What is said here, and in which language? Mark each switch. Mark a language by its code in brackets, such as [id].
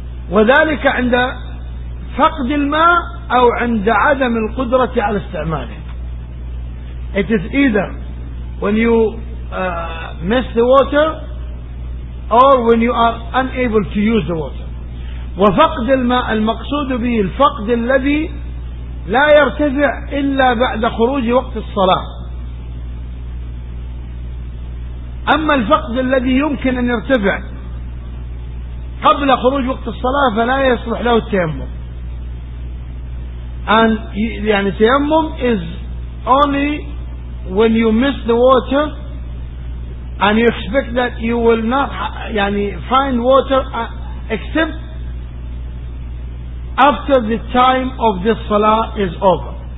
[ar] وذلك عند فقد الماء أو عند عدم القدرة على استعماله. [en] It is either when you miss the water or when you are unable to use the water. [ar] وفقد الماء المقصود به الفقد الذي لا يرتفع إلا بعد خروج وقت الصلاة. أما الفقد الذي يمكن أن يرتفع قبل خروج وقت الصلاة فلا يصلح له التيمم. [en] And يعني التيمم is only when you miss the water and you expect that you will not يعني find water except after the time of this salah is over.